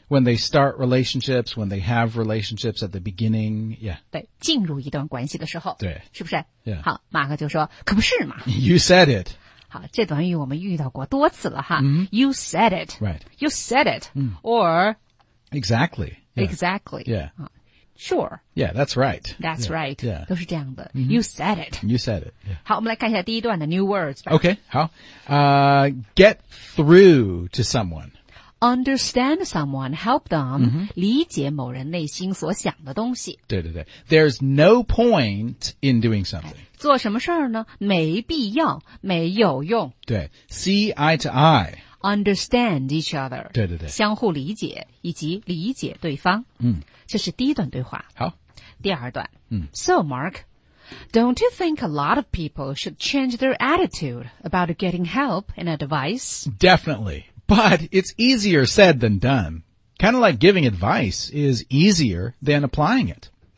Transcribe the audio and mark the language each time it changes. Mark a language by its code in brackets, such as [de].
[en] when they start relationships when they have relationships at the beginning yeah [zh] 对进入一段关系的时候对是不是、 [en] yeah. [zh] 好马克就说可不是嘛 [en] you said it [zh] 好，这短语我们遇到过多次了哈、 [en] you said it right you said it、or exactly Exactly. Yeah. Sure. Yeah, that's right. That's yeah. right. Yeah. [zh] 都是这样的。 [en] You said it. You said it. Yeah. [zh] 好，我们来看一下第一段的 new words 吧。 [en] Okay, 好。Get through to someone. Understand someone, help them,、 [zh] 理解某人内心所想的东西。对对对。 [en] There's no point in doing something. [zh] 做什么事儿呢？没必要，没有用。对。 [en] See eye to eye. Understand each other. [zh] 对对对。相互理解以及理解对方。这是第一段对话。好。第二段。 [en] So, Mark, don't you think a lot of people should change their attitude about getting help and advice? Definitely. But it's easier said than done. Kind of like giving advice is easier than applying it.